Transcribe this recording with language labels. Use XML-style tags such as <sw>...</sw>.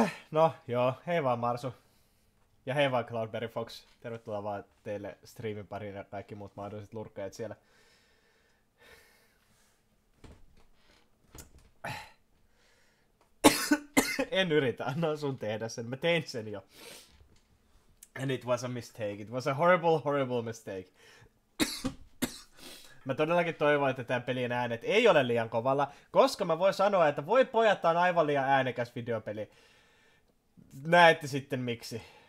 <fi>No, joo, hei vaan Marsu. Ja hei vaan Cloudberry Fox, tervetuloa vaan teille striimin pariin ja kaikki muut mahdolliset lurkkeet siellä. En yritä, annan sun tehdä sen, mä tein sen jo.</fi> <en>And it was a mistake, it was a horrible, horrible mistake.</en> <fi>Mä todellakin toivon, että tämän pelin äänet ei ole liian kovalla, koska mä voin sanoa, että voi pojat, tää on aivan liian äänekäs videopeli. Näette sitten miksi.</fi>